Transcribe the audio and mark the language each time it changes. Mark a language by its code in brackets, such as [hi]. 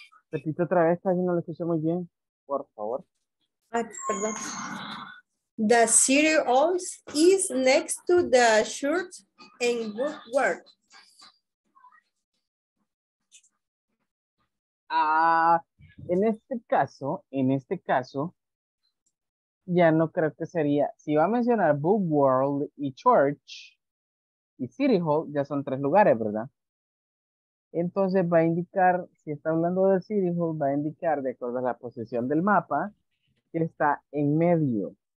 [es] Repito otra vez, casi no lo escucho muy bien. Por favor. [en] The city hall is next to the church and book world. [es] En este caso, ya no creo que sería, si va a mencionar Book World y Church y City Hall, ya son tres lugares, ¿verdad? Entonces va a indicar, si está hablando del City Hall, va a indicar, de acuerdo a la posición del mapa, que está en medio.